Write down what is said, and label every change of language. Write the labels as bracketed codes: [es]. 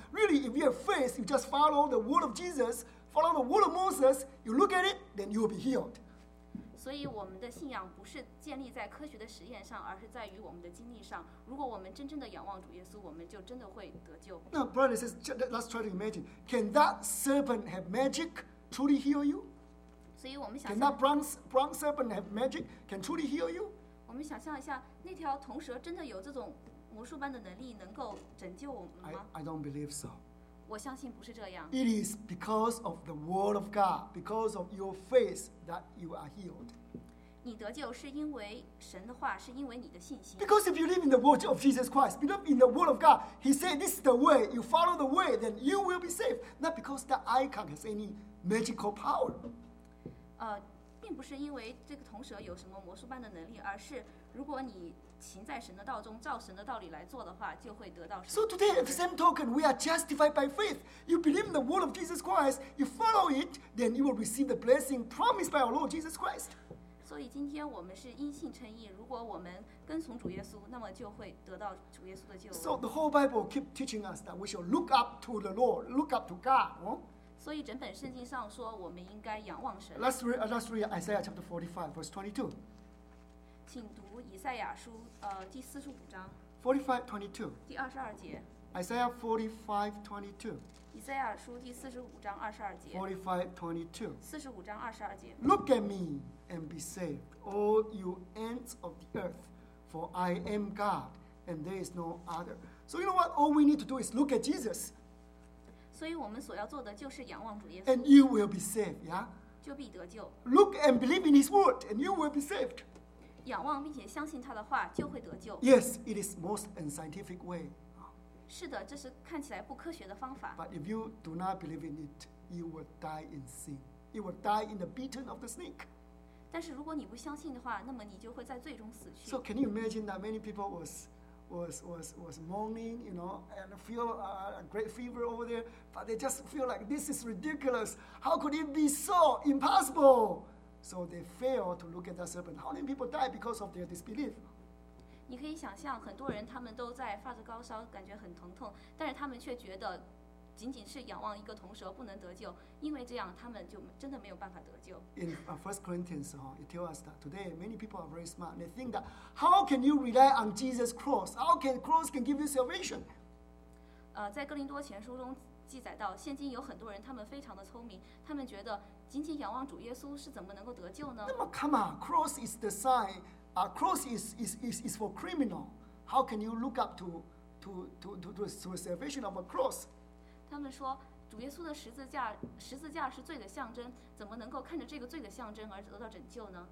[en] Really, if you have faith, you just follow the word of Jesus, follow the word of Moses, you look at it, then you will be healed. [zh] 所以我们的信仰不是建立在科学的实验上，而是在于我们的经历上。如果我们真正的仰望主耶稣，我们就真的会得救。 [en] Now, brothers, let's try to imagine. Can that serpent have magic truly heal you? [zh] 所以我们想 [en] Can that bronze serpent have magic? Can truly heal you? [zh] 我们想象一下，那条铜蛇真的有这种魔术般的能力，能够拯救我们吗 [en] ？I don't believe so. [zh] 我相信不是这样。 [en] It is because of the word of God, because of your faith that you are healed. [zh] 你得救是因为神的话，是因为你的信心。 [en] Because if you believe in the word of Jesus Christ, believe in the word of God, He said this is the way. You follow the way, then you will be saved. Not because the icon has any magical power. [zh] 并不是因为这个铜蛇有什么魔术般的能力，而是如果你行在神的道中，照神的道理来做的话，就会得到神。 [en] So today, at the same token, we are justified by faith. You believe in the word of Jesus Christ. You follow it, then you will receive the blessing promised by our Lord Jesus Christ. [zh] 所以今天我们是因信称义。如果我们跟从主耶稣，那么就会得到主耶稣的救恩。 [en] So the whole Bible keep teaching us that we shall look up to the Lord, look up to God.、Huh? [zh] 所以整本圣经上说，我们应该仰望神。 [en] Let's read Isaiah chapter 45, verse 22. [zh] 请读以赛亚书第四十五章。 [en] 45:22. [zh] 第二十二节。 [en] Isaiah 45:22. [zh] 以赛亚书第四十五章二十二节。 [en] 45:22. [zh] 四十五章二十二节。 [en] Look at me and be saved, all you ends of the earth, for I am God and there is no other. So you know what? All we need to do is look at Jesus. [zh] 所以我们所要做的就是仰望主耶稣。 [en] And you will be saved, yeah? [zh] 就必得救。 [en] Look and believe in his word, and you will be saved. [zh] 仰望并且相信他的话，就会得救。 [en] Yes, it is most unscientific way. [zh] 是的，这是看起来不科学的方法。 [en] But if you do not believe in it, you will die in sin. You will die in the beating of the snake. [zh] 但是如果你不相信的话，那么你就会在最终死去。 [en] So can you imagine that many people was mourning, you know, and feel a great fever over there, but they just feel like this is ridiculous. How could it be so impossible? So they fail to look at that serpent. How many people die because of their disbelief? [zh] 你可以想象，很多人他们都在发着高烧，感觉很疼痛，但是他们却觉得仅仅是仰望一个铜蛇不能得救，因为这样他们就真的没有办法得救。 [en] In First Corinthians, it tells us that today many people are very smart. They think that how can you rely on Jesus' cross? How can cross can give you salvation? [zh] 在哥林多前书中，记载到，现今有很多人，他们非常的聪明，他们觉得仅仅仰望主耶稣是怎么能够得救呢？那么 [en] ，come on，cross is the sign. Cross is for criminal. How can you look up to the salvation of a cross? [zh] 他们说，主耶稣的十字架是罪的象征，怎么能够看着这个罪的象征而得到拯救呢